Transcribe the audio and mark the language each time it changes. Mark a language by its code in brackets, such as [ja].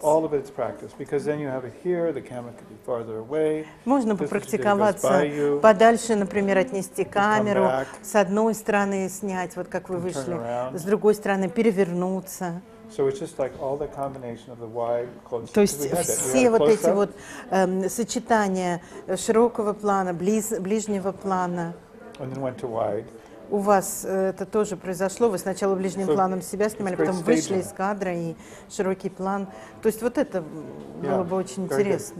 [en] All of it's practice, because then you have it here. The camera could be farther away. [ru] Можно попрактиковаться подальше, например, отнести камеру с одной стороны снять, вот как вы вышли, с другой стороны перевернуться. [en] So it's just like all the combination of the wide, close. [ru] То есть все вот эти вот сочетания широкого плана, ближнего плана. [en] And then went to wide. [ru] У вас это тоже произошло. Вы сначала ближним планом себя снимали, потом вышли из кадра и широкий план. То есть вот это было бы очень интересно.